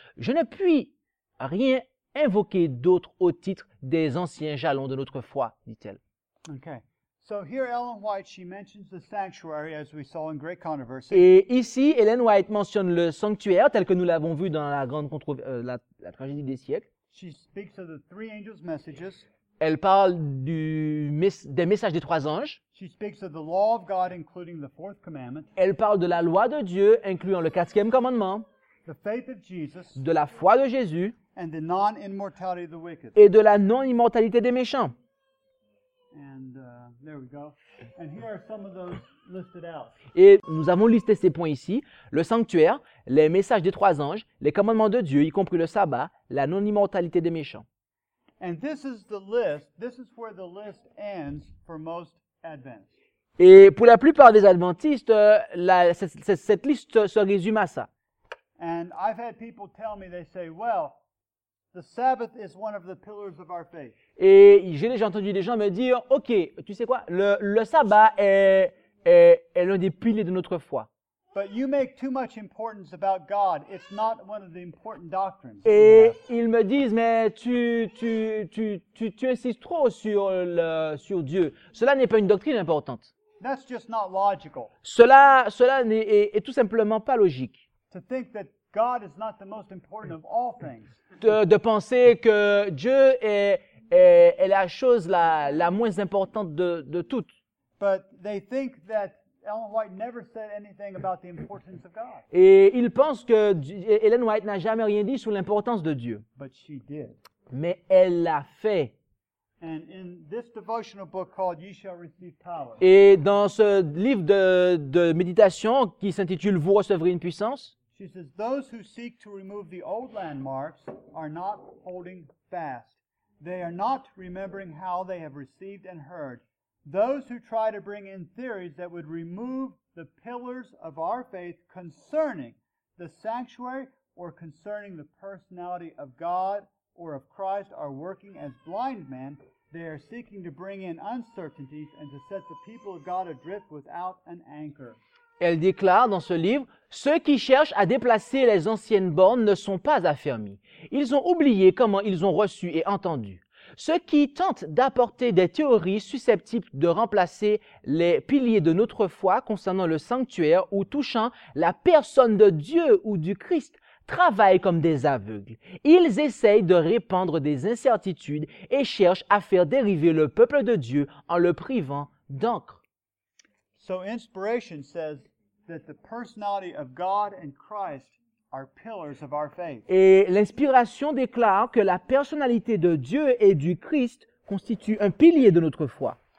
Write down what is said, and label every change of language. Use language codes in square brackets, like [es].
[fr] Je ne puis rien invoquer d'autre au titre des anciens jalons de notre foi, dit-elle. [en] Okay. So here Ellen White, she mentions the sanctuary as we saw in Great Controversy. [fr] Et ici, Ellen White mentionne le sanctuaire tel que nous l'avons vu dans la grande la tragédie des siècles. [en] She speaks of the three angels' messages. [fr] Elle parle des messages des trois anges. [en] She speaks of the law of God including the fourth commandment. [fr] Elle parle de la loi de Dieu incluant le quatrième commandement. [en] The faith of Jesus. [fr] De la foi de Jésus. [en] And the non-immortality of the wicked. [fr] Et de la non-immortalité des méchants. [en] And there we go. And here are some of those listed out. [fr] Et nous avons listé ces points ici. Le sanctuaire, les messages des trois anges, les commandements de Dieu, y compris le sabbat, la non-immortalité des méchants. [en] And this is the list. This is where the list ends for most Adventists. [fr] Et pour la plupart des Adventistes, cette liste se résume à ça. [en] And I've had people tell me, they say, well, the Sabbath is one of the pillars of our faith. [fr] Et j'ai déjà entendu des gens me dire, OK, tu sais quoi, le sabbat est l'un des piliers de notre foi. [en] But you make too much importance about God. It's not one of the important doctrines. [fr] Et ils me disent, mais tu insistes trop sur Dieu. Cela n'est pas une doctrine importante. [en] That's just not logical. [fr] Cela n'est tout simplement pas logique. [en] To think that God is not the most important of all things. [fr] De penser que Dieu est la chose la moins importante de toutes. [en] But they think that Ellen White never said anything about the importance of God. [fr] Et ils pensent que Ellen White n'a jamais rien dit sur l'importance de Dieu. [en] But she did. [fr] Mais elle l'a fait. [en] And in this devotional book called Ye Shall Receive Power. [fr] Et dans ce livre de méditation qui s'intitule Vous recevrez une puissance. [en] She says, those who seek to remove the old landmarks are not holding fast. They are not remembering how they have received and heard. Those who try to bring in theories that would remove the pillars of our faith concerning the sanctuary or concerning the personality of God or of Christ are working as blind men. They are seeking to bring in uncertainties and to set the people of God adrift without an anchor. [fr] Elle déclare dans ce livre, « Ceux qui cherchent à déplacer les anciennes bornes ne sont pas affermis. Ils ont oublié comment ils ont reçu et entendu. Ceux qui tentent d'apporter des théories susceptibles de remplacer les piliers de notre foi concernant le sanctuaire ou touchant la personne de Dieu ou du Christ travaillent comme des aveugles. Ils essayent de répandre des incertitudes et cherchent à faire dériver le peuple de Dieu en le privant d'encre. [en] So inspiration says that the personality of God and Christ are pillars of our faith. [fr] Et l'inspiration déclare que la personnalité de Dieu et du Christ constitue un pilier de notre foi.